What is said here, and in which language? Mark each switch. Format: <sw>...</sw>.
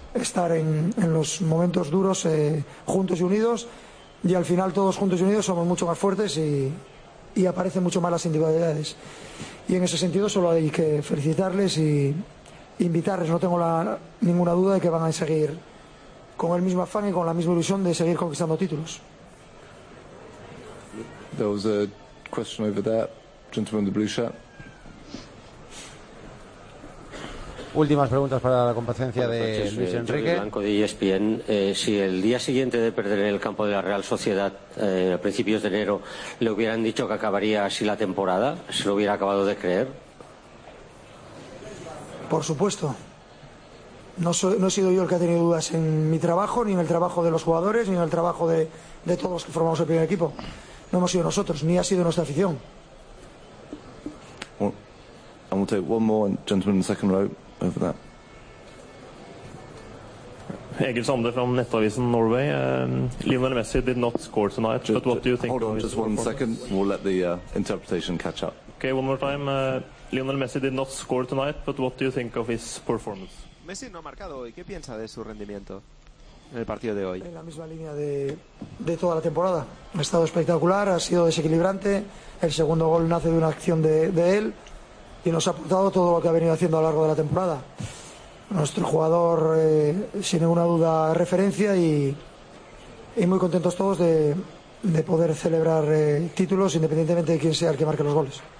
<es>estar en los momentos duros juntos y unidos, y al final todos juntos y unidos somos mucho más fuertes y aparecen mucho más las individualidades. Y en ese sentido solo hay que felicitarles y invitarles, no tengo ninguna duda de que van a seguir con el mismo afán y con la misma ilusión de seguir conquistando títulos.</es> <en>There was a question over there, gentleman in the blue shirt.</en> <es>Últimas preguntas para la comparecencia de Luis Enrique. Blanco de ESPN. Si el día siguiente de perder en el campo de la Real Sociedad, a principios de enero, le hubieran dicho que acabaría así la temporada, ¿se lo hubiera acabado de creer? Por supuesto. No he sido yo el que ha tenido dudas en mi trabajo, ni en el trabajo de los jugadores, ni en el trabajo de todos los que formamos el primer equipo. No hemos sido nosotros, ni ha sido nuestra afición.</es> <en>And we'll take one more, gentleman in the second row. Over that. Egil Sande from Nettavisen Norway. Lionel Messi did not score tonight, but what do you think? Hold on just one second, we'll let the interpretation catch up. Okay, one more time. Lionel Messi did not score tonight, but what do you think of his performance?</en> <es>Messi no ha marcado hoy. ¿Qué piensa de su rendimiento en el partido de hoy? En la misma línea de toda la temporada. Ha estado espectacular, ha sido desequilibrante. El segundo gol nace de una acción de él. Y nos ha aportado todo lo que ha venido haciendo a lo largo de la temporada. Nuestro jugador, sin ninguna duda, referencia y muy contentos todos de poder celebrar títulos independientemente de quién sea el que marque los goles.</es>